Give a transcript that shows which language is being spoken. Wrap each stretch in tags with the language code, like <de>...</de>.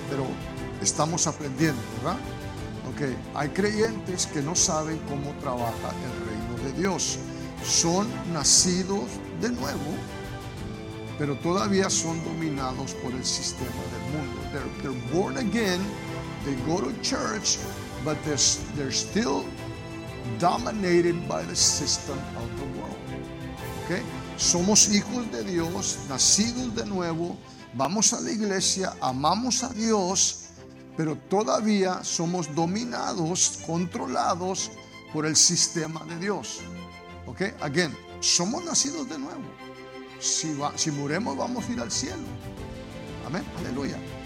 <es>Pero estamos aprendiendo, ¿verdad? Okay. Hay creyentes que no saben cómo trabaja el reino de Dios. Son nacidos de nuevo, pero todavía son dominados por el sistema del mundo.</es> <en>They're born again, they go to church, but they're still dominated by the system of the world. Okay?</en> <es>Somos hijos de Dios, nacidos de nuevo, vamos a la iglesia, amamos a Dios, pero todavía somos dominados, controlados por el sistema de Dios.</es> <en>Ok, again,</en> <es>somos nacidos de nuevo. Si muremos, vamos a ir al cielo. Amén, aleluya.</es>